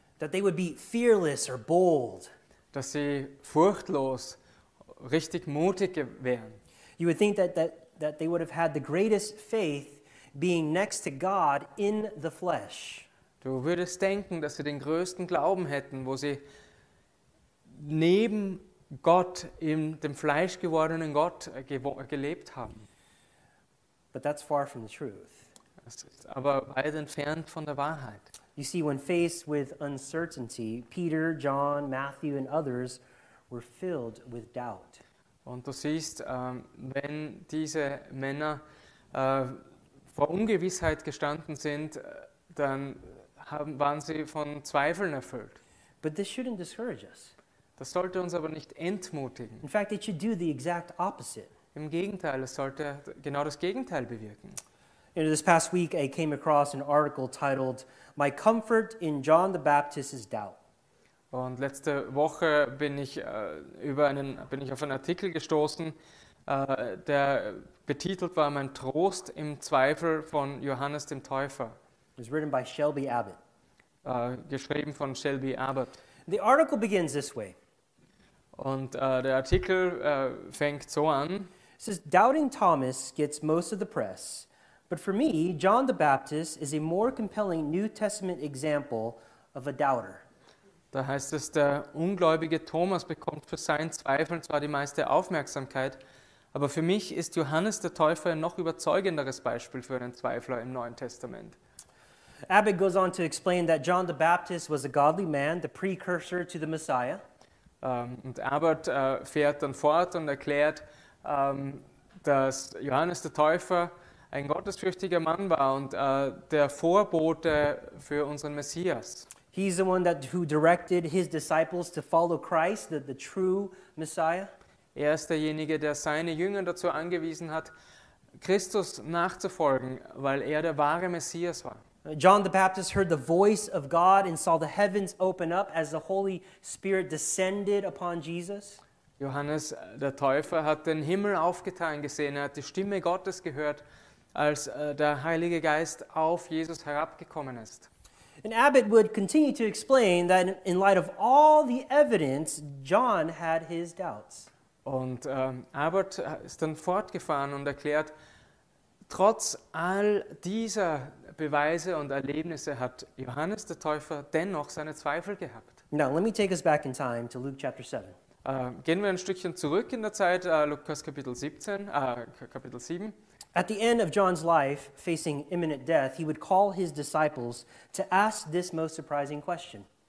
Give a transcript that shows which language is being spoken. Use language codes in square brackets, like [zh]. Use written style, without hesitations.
[en] That they would be fearless or bold. [de] Dass sie furchtlos, richtig mutig wären. [en] You would think that they would have had the greatest faith being next to God in the flesh. [de] Du würdest denken, dass sie den größten Glauben hätten, wo sie neben Gott, in dem fleischgewordenen Gott, gelebt haben. [en] But that's far from the truth. [de] Das ist aber weit entfernt von der Wahrheit. [en] You see, when faced with uncertainty, Peter, John, Matthew and others were filled with doubt. [de] Und du siehst, wenn diese Männer vor Ungewissheit gestanden sind, dann waren sie von Zweifeln erfüllt. [en] But this shouldn't discourage us. [de] Das sollte uns aber nicht entmutigen. [en] In fact, it should do the exact opposite. [de] Im Gegenteil, es sollte genau das Gegenteil bewirken. [en] You know, this past week I came across an article titled My Comfort in John the Baptist's Doubt. [de] Und letzte Woche bin ich auf einen Artikel gestoßen, der betitelt war Mein Trost im Zweifel von Johannes dem Täufer. [en] It was written by Shelby Abbott. [de] Geschrieben von Shelby Abbott. [en] The article begins this way. [de] Und der Artikel fängt so an. [en] It says, Doubting Thomas gets most of the press, but for me, John the Baptist is a more compelling New Testament example of a doubter. [de] Da heißt es, der ungläubige Thomas bekommt für seinen Zweifeln zwar die meiste Aufmerksamkeit, aber für mich ist Johannes der Täufer ein noch überzeugenderes Beispiel für einen Zweifler im Neuen Testament. [en] Abbott goes on to explain that John the Baptist was a godly man, the precursor to the Messiah. [de] Und Abbott fährt dann fort und erklärt, dass Johannes der Täufer ein gottesfürchtiger Mann war und der Vorbote für unseren Messias. [en] He's the one who directed his disciples to follow Christ, the true Messiah. [de] Er ist derjenige, der seine Jünger dazu angewiesen hat, Christus nachzufolgen, weil er der wahre Messias war. [en] John the Baptist heard the voice of God and saw the heavens open up as the Holy Spirit descended upon Jesus. [de] Johannes der Täufer hat den Himmel aufgetan gesehen, er hat die Stimme Gottes gehört, als der Heilige Geist auf Jesus herabgekommen ist. [en] And Abbott would continue to explain that in light of all the evidence, John had his doubts. [de] Und Abbott ist dann fortgefahren und erklärt, trotz all dieser Beweise und Erlebnisse hat Johannes der Täufer dennoch seine Zweifel gehabt. [en] Now let me take us back in time to Luke chapter 7. [de] Gehen wir ein Stückchen zurück in der Zeit, Lukas Kapitel 17, Kapitel 7. [en] At the end of John's life, facing imminent death, he would call his disciples to ask this most surprising question.